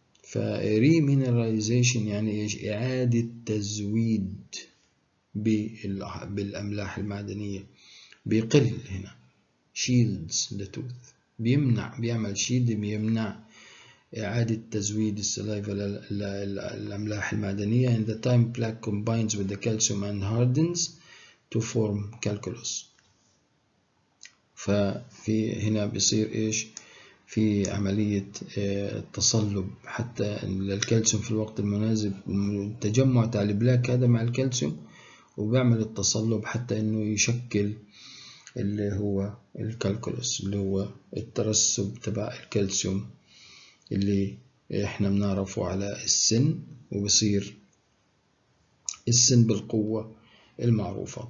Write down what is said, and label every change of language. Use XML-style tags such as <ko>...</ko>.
<ar>فريمينراليزيشن يعني إيش إعادة تزويد بالأملاح المعدنية. بيقل هنا</ar> <en>shields the tooth</en> <ar>بيمنع بيعمل شيلد بيمنع إعادة تزويد السلايفا للأملاح المعدنية.</ar> <en>and the time plaque combines with the calcium and hardens to form calculus.</en> <ar>ففي هنا بيصير ايش في عملية التصلب حتى للكالسيوم في الوقت المناسب، تجمع تاع البلاك هذا مع الكالسيوم وبيعمل التصلب حتى انه يشكل اللي هو الكالكولوس اللي هو الترسب تبع الكالسيوم اللي احنا بنعرفه على السن، وبصير السن بالقوة المعروفة.</ar>